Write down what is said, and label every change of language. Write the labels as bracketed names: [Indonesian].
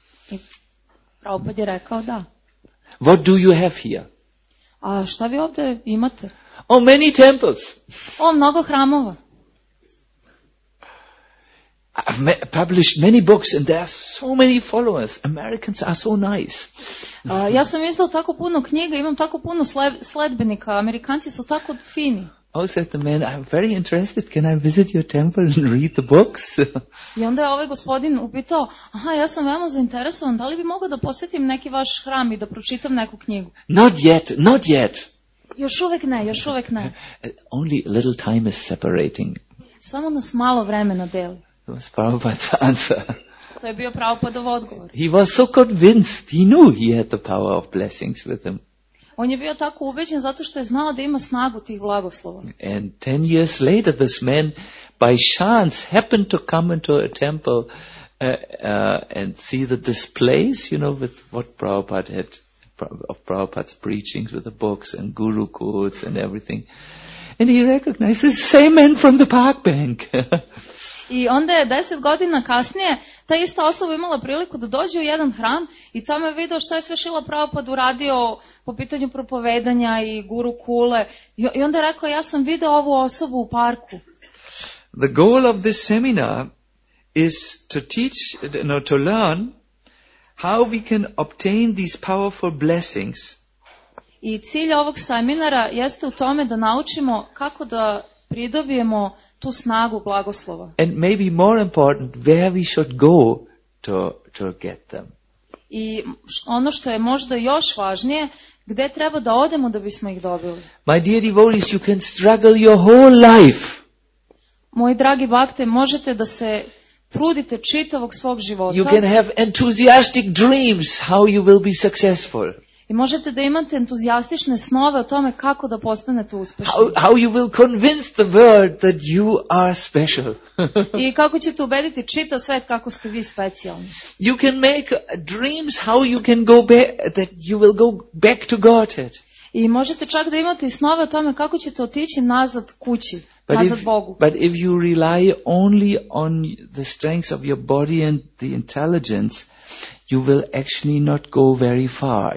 [Serbian] I Prabhupada je rekao, da. [English] What do you have here? [Serbian] A šta vi ovde imate? [English] Oh, many temples. [Serbian] Oh, mnogo hramova. [English] I've published many books and there are so many followers. Americans are so nice. [Serbian] Ja sam izdao tako puno knjiga, imam tako puno sledbenika. Amerikanci su tako fini. [English] Oh, said the man, I'm very interested. Can I visit your temple and read the books? [Serbian] I onda je ovaj gospodin upitao, aha, ja sam veoma zainteresovan, da li bi mogao da posetim neki vaš hram I da pročitam neku knjigu? [English] Not yet, not yet. [Serbian] Još uvek ne, još uvek ne. [English] Only a little time is separating. [Serbian] Samo nas malo vremena deli. [English] It was Prabhupada's answer. [Serbian] To je bio Prabhupadov odgovor. [English] He was so convinced, he knew he had the power of blessings with him. [Serbian] On je bio tako ubeđen zato što je znao da ima snagu tih blagoslova. [English] And 10 years later this man by chance happened to come into a temple and see the displays, you know, with what Prabhupada had of Prabhupada's preachings with the books and guru quotes and everything. And he recognized the same man from the park bank. [Serbian] I onda je 10 godina kasnije ta ista osoba imala priliku da dođe u jedan hram I tamo je video šta je sve Šila Prabhupada uradio po pitanju propovedanja I guru kule. I onda je rekao, ja sam video ovu osobu u parku. [English] The goal of this seminar is to teach, no, to learn how we can obtain these powerful blessings. [Serbian] I cilj ovog seminara jeste u tome da naučimo kako da pridobijemo tu snagu blagoslova. [English] And maybe more important, where we should go to get them. [Serbian] I ono što je možda još važnije, gde treba da odemo da bismo ih dobili. [English] My dear devotees, you can struggle your whole life. [Serbian] Moji dragi bakte, možete da se trudite čitavog svog života. [English] You can have enthusiastic dreams how you will be successful. [Serbian] I možete da imate entuzijastične snove o tome kako da postanete uspešni. [English] How you will convince the world that you are special. [Serbian] I kako ćete ubediti čitav svet kako ste vi specijalni. [English] You can make dreams how you can go back, that you will go back to Godhead. [Serbian] I možete čak da imate snove o tome kako ćete otići nazad kući, but nazad Bogu. [English] But if you rely only on the strengths of your body and the intelligence, you will actually not go very far.